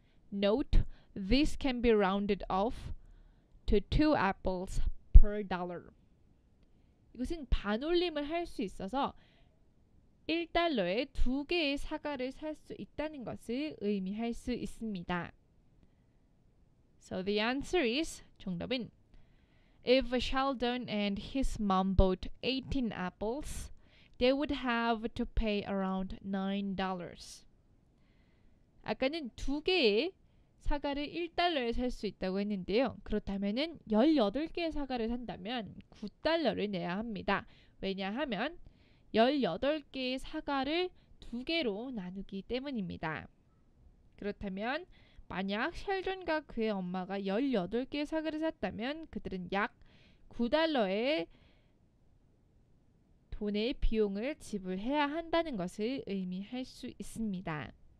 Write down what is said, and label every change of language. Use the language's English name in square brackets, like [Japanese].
[English] Note, this can be rounded off to 2 apples per dollar. [Korean] 이것은 반올림을 할 수 있어서 1달러에 두 개의 사과를 살 수 있다는 것을 의미할 수 있습니다. [English] So the answer is, [Korean] 정답은 [English] If Sheldon and his mom bought 18 apples, they would have to pay around $9. [Korean] 아까는 두 개의 사과를 1달러에 살 수 있다고 했는데요. 그렇다면은 18개의 사과를 산다면 $9를 내야 합니다. 왜냐하면 18개의 사과를 두 개로 나누기 때문입니다. 그렇다면 만약 셸던과 그의 엄마가 18개의 사과를 샀다면 그들은 약 $9의 돈의 비용을 지불해야 한다는 것을 의미할 수 있습니다.